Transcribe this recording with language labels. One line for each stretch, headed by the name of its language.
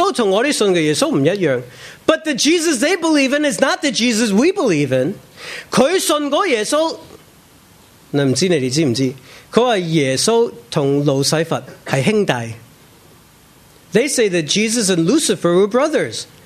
English: But the Jesus they believe in is not the Jesus we believe in.
Cantonese: 佢信過耶穌，你唔知你哋知唔知？佢話耶穌同路西法係兄弟。
English: They say that Jesus and Lucifer were brothers.